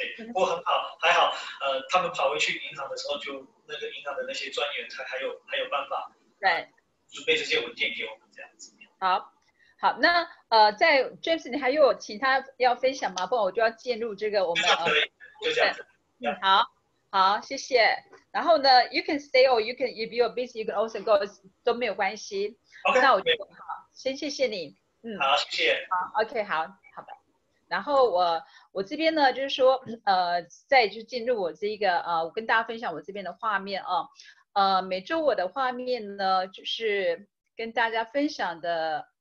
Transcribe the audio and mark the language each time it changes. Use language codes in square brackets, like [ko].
[zh] 所以不过很好，还好，他们跑回去银行的时候，就那个银行的那些专员才还有办法，对，准备这些文件给我们这样子。好，那在 James， 你还有其他要分享吗？不然我就要进入这个我们就这样子。好，谢谢。然后呢 [en] ，you can stay or you can if you're busy, you can also go， [zh] 都没有关系。 [en] Okay, [zh] 那我就好，先谢谢你。好，谢谢。好 ，OK， 好，好吧。然后我这边呢，就是说，再就进入我这一个我跟大家分享我这边的画面啊。每周我的画面呢，就是跟大家分享的。